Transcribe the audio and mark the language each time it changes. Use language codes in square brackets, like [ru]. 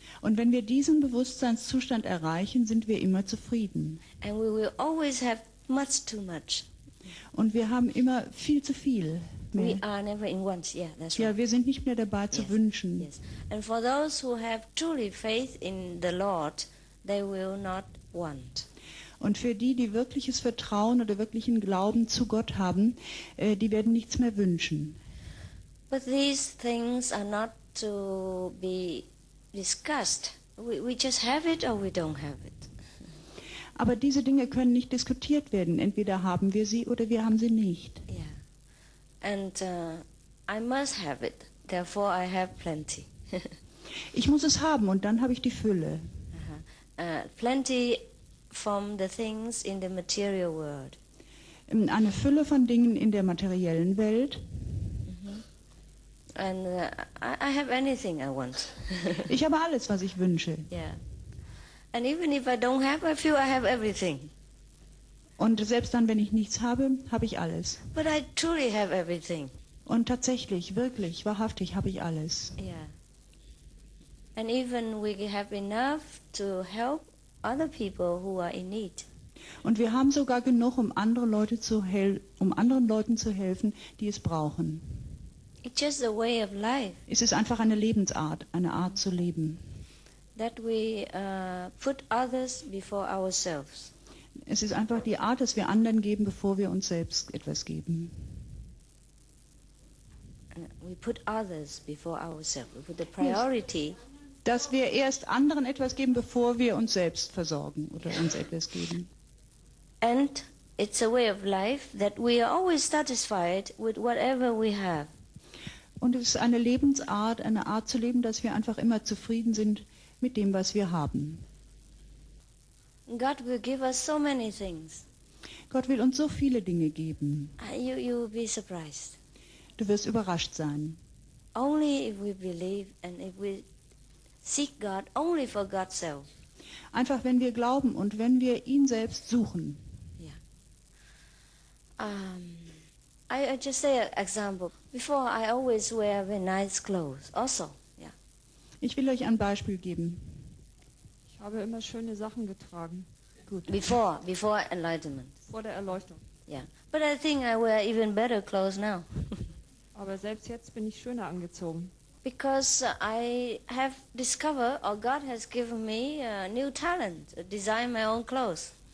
[de] Und wenn wir diesen Bewusstseinszustand erreichen, sind wir immer zufrieden. [en] And we will always have much too much. [de] Und wir haben immer viel zu viel. [en] We are never in want. Yeah, that's right. [de] Ja, wir sind nicht mehr dabei zu wünschen. [en] Yes. And for those who have truly faith in the Lord, they will not want. [de] Und für die, die wirkliches Vertrauen oder wirklichen Glauben zu Gott haben, die werden nichts mehr wünschen. [en] But these things are not to be discussed. We just have it or we don't have it. [de] Aber diese Dinge können nicht diskutiert werden. Entweder haben wir sie oder wir haben sie nicht. [en] Yeah. And I must have it, therefore I have plenty. [de] Ich muss es haben und dann habe ich die Fülle. [en] Plenty from the things in the material world. [de] Eine Fülle von Dingen in der materiellen Welt. Mm-hmm. [en] And I have anything I want. [de] Ich habe alles, was ich wünsche. [en] Yeah. And even if I don't have, I feel I have everything. [de] Und selbst dann, wenn ich nichts habe, habe ich alles. [en] But I truly have everything. [de] Und tatsächlich, wirklich, wahrhaftig habe ich alles. [en] Yeah. And even we have enough to help other people who are in need. [de] Und wir haben sogar genug, um anderen Leuten zu helfen, die es brauchen. [en] It's just a way of life. [de] Es ist einfach eine Lebensart, eine Art zu leben. [en] That we put others before ourselves. [de] Es ist einfach die Art, dass wir anderen geben, bevor wir uns selbst etwas geben. [en] We put others before ourselves. We put the priority. [de] Dass wir erst anderen etwas geben, bevor wir uns selbst versorgen oder uns etwas geben. [en] And it's a way of life that we are always satisfied with whatever we have. [de] Und es ist eine Lebensart, eine Art zu leben, dass wir einfach immer zufrieden sind mit dem, was wir haben. [en] God will give us so many things. [de] Gott will uns so viele Dinge geben. [en] You will be surprised. [de] Du wirst überrascht sein. [en] Only if we believe and if we seek God only for God's self. [de] Einfach wenn wir glauben und wenn wir ihn selbst suchen. [en] Yeah. I just say an example. Before I always wear very nice clothes. Also, yeah. [de] Ich will euch ein Beispiel geben. Ich habe immer schöne Sachen getragen. [en] Gut. Before enlightenment. [de] Vor der Erleuchtung. [en] Yeah. But I think I wear even better clothes now. [de] Aber selbst jetzt bin ich schöner angezogen. [en] Because I have discovered or God has given me a new talent, design my own clothes.